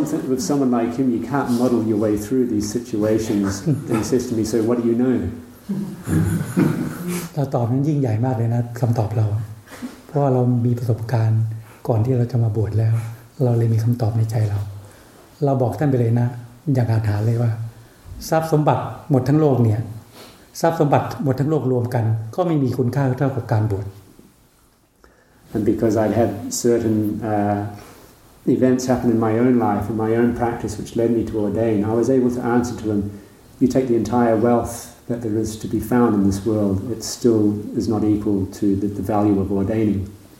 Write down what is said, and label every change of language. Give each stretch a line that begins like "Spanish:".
English: With someone like him, you can't muddle your way through these situations. And he says to me, so what do you know?
Thai: เราตอบนั้นยิ่งใหญ่มากเลยนะคำตอบเราเพราะเรามีประสบการณ์ก่อนที่เราจะมาบวชแล้วเราเลยมีคำตอบในใจเราเราบอกท่านไปเลยนะอย่างอาถรรพ์เลยว่าทรัพย์สมบัติหมดทั้งโลกเนี่ยทรัพย์สมบัติหมดทั้งโลกรวมกันก็ไม่มีคุณค่าเท่ากับการบวช
English: And because I've had certain events happen in my own life and my own practice which led me to ordain, I was able to answer to him, you take the entire wealth that there is to be found in this world, it still is not equal to the value of ordaining.